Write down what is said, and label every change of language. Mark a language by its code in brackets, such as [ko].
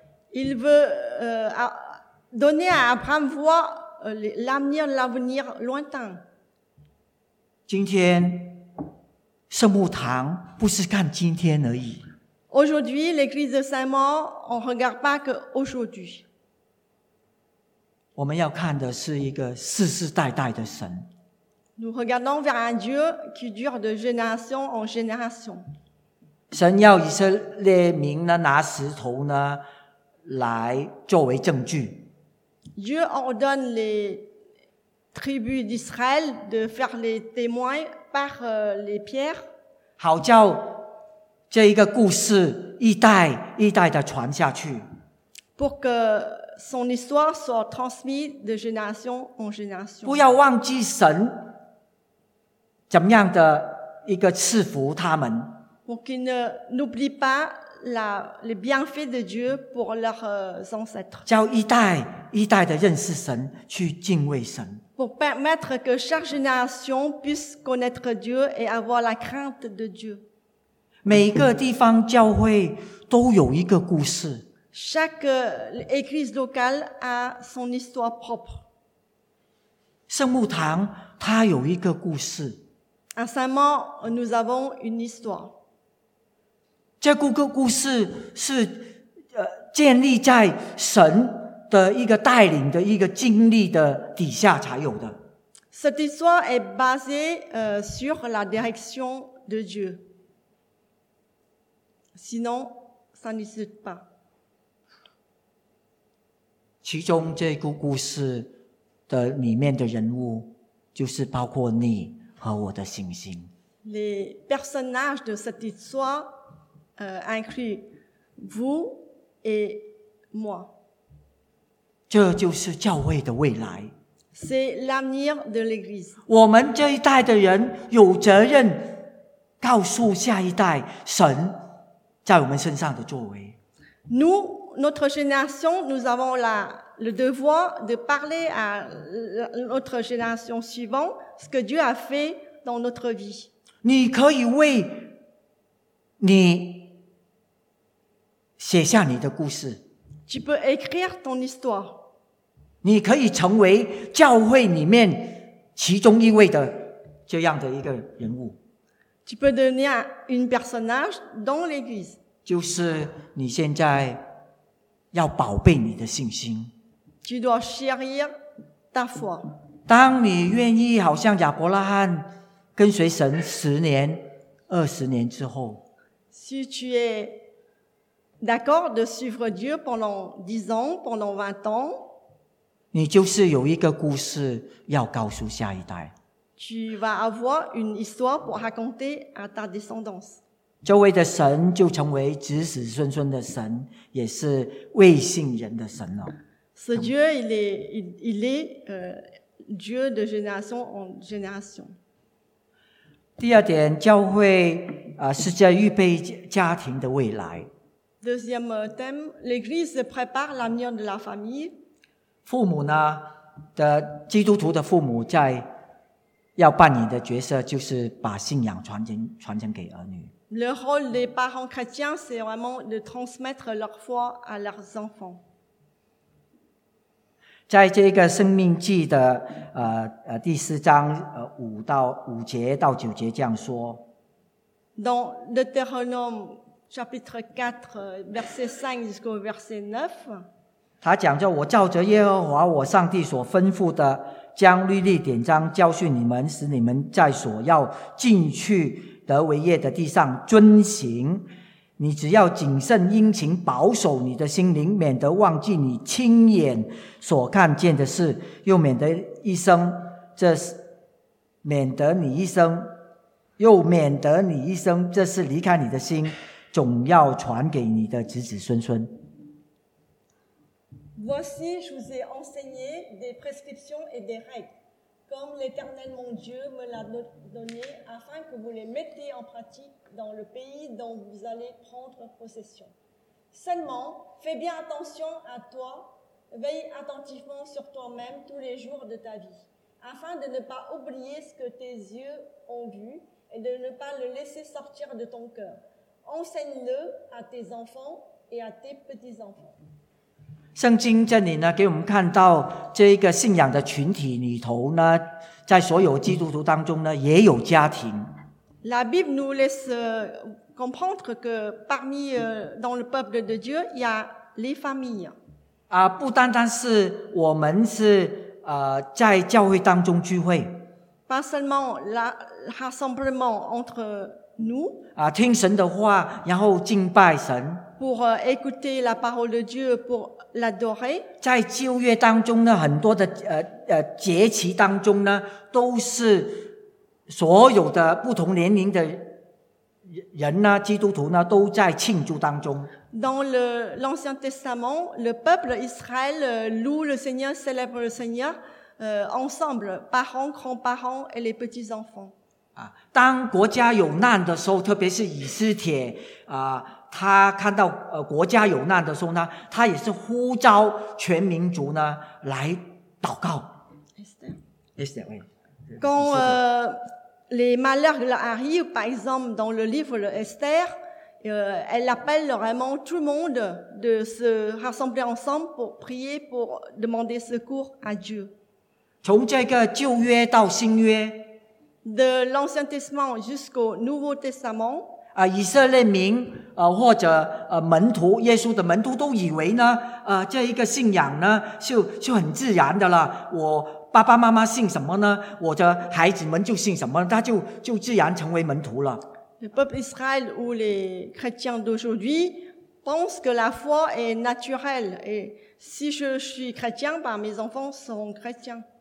[fr] Il veut donner à Abraham voir l'avenir, l'avenir lointain. [zh] 今天圣母堂不是看今天而已。 [fr] Aujourd'hui, l'église de Saint-Maur, on ne regarde pas qu'aujourd'hui. [zh] 我们要看的是一个世世代代的神。 [fr] Nous regardons vers un Dieu qui dure de génération en génération. [zh] 神要以色列民呢拿石头呢来作为证据。 [fr] Dieu ordonne les tribus d'Israël de faire les témoins. Par les pierres, [zh] 好叫这一个故事一代一代的传下去。 [fr] Pour que son histoire soit transmise de génération en génération. [zh] 不要忘记神怎么样的一个赐福他们。 [fr] Pour qu'ils n'oublient pas les bienfaits de Dieu pour leurs ancêtres. [zh] 叫一代一代的认识神，去敬畏神。 [fr] Pour permettre que chaque génération puisse connaître Dieu et avoir la crainte de Dieu. [zh] 每个地方教会都有一个故事。 [fr] Chaque église locale a son histoire propre. [zh] 圣母堂它有一个故事。 [fr] À Saint-Maur, nous avons une histoire. [zh] 这个故事是建立在神的一个带领的一个经历的底下才有的。 [fr] Cette histoire est basée sur la direction de Dieu. Sinon, ça n'existe pas. [zh] 其中这个故事的里面的人物就是包括你和我的信心。 [fr] Les personnages de cette histoire incluent vous et moi. [zh] 这就是教会的未来。 [fr] C'est l'avenir de l'Église. [zh] 我们这一代的人有责任告诉下一代神在我们身上的作为。 [fr] Nous, notre génération, nous avons le devoir de parler à notre génération suivante ce que Dieu a fait dans notre vie. [zh] 你可以为你写下你的故事。 [fr] Tu peux écrire ton histoire. [zh] 你可以成为教会里面其中一位的这样的一个人物。 [fr] Tu peux devenir un personnage dans l'église. [zh] 就是你现在要宝贝你的信心。 [fr] Tu dois chérir ta foi. [zh] 当你愿意好像亚伯拉罕跟随神十年、二十年之后。 [fr] Si tu es d'accord de suivre Dieu pendant 10 ans, pendant 20 ans, [zh] 你就是有一个故事要告诉下一代。 [fr] Tu vas avoir une histoire pour raconter à ta descendance. [zh] 周围的神就成为子子孙孙的神，也是未信人的神了。 [fr] Ce Dieu, il est Dieu de génération en génération. [zh] 第二点，教会是在预备家庭的未来。 [fr] Deuxième thème, l'Église prépare l'avenir de la famille. [zh] 父母呢的基督徒的父母在要扮演的角色就是把信仰传承给儿女。 [fr] Le rôle des parents chrétiens, c'est vraiment de transmettre leur foi à leurs enfants. [zh] 在这个《生命记》的第四章五节到九节这样说。 [fr] Dans Deutéronome chapitre 4, verset 5 jusqu'au verset 9. [zh] 他讲着：“我照着耶和华我上帝所吩咐的，将律例典章教训你们，使你们在所要进去得为业的地上遵行。你只要谨慎殷勤保守你的心灵，免得忘记你亲眼所看见的事，又免得你一生这是离开你的心，总要传给你的子子孙孙。” [fr] Voici, je vous ai enseigné des prescriptions et des règles. Comme l'Éternel mon Dieu me l'a donné, afin que vous les mettiez en pratique dans le pays dont vous allez prendre possession. Seulement, fais bien attention à toi, veille attentivement sur toi-même tous les jours de ta vie, afin de ne pas oublier ce que tes yeux ont vu et de ne pas le laisser sortir de ton cœur. Enseigne-le à tes enfants et à tes petits-enfants. [zh] 圣经这里呢，给我们看到这个信仰的群体里头呢，在所有基督徒当中呢，也有家庭。 [fr] La Bible nous laisse comprendre que parmi dans le peuple de Dieu, il y a les familles. [zh] 啊，不单单是我们是在教会当中聚会。 [fr] Pas seulement la rassemblement entre nous. [zh] 啊，听神的话，然后敬拜神。 [fr] Pour écouter la parole de Dieu, pour l'adorer. [zh] 在旧约当中呢，很多的节期当中呢，都是所有的不同年龄的人呢，基督徒呢，都在庆祝当中。 [fr] Dans l'Ancien Testament, le peuple Israël loue le Seigneur, célèbre le Seigneur ensemble, parents, grands-parents et les petits-enfants. [zh] 啊，当国家有难的时候，特别是以斯帖啊。他看到国家有难的时候呢，他也是呼召全民族呢来祷告。 [fr] Quand les malheurs leur arrivent, par exemple dans le livre d'Esther, elle appelle vraiment tout le monde de se rassembler ensemble pour prier, pour demander secours à Dieu. [zh] 从这个旧约到新约 [fr] ，de l'Ancien Testament jusqu'au Nouveau Testament。 [zh] 以色列民或者门徒，耶稣的门徒都以为呢这一个信仰呢就很自然的了，我爸爸妈妈信什么呢，我的孩子们就信什么，他就自然成为门徒了。 [fr] Le peuple Israël ou les chrétiens d'aujourd'hui pensent que la foi est naturelle et si je suis chrétien, bah mes enfants seront chrétiens.